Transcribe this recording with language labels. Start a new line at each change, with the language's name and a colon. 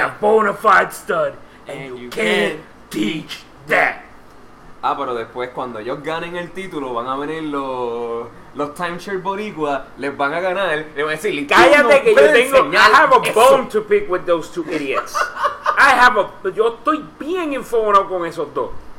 English: a bona fide stud, and you can't teach that.
Spanish: Ah, pero después cuando ellos ganen el título van a venir los timeshare boricua, les van a ganar, les van a decir, cállate no que yo tengo,
English: I have a bone to pick with those two idiots. I have a,
Spanish: yo estoy bien informado con esos dos.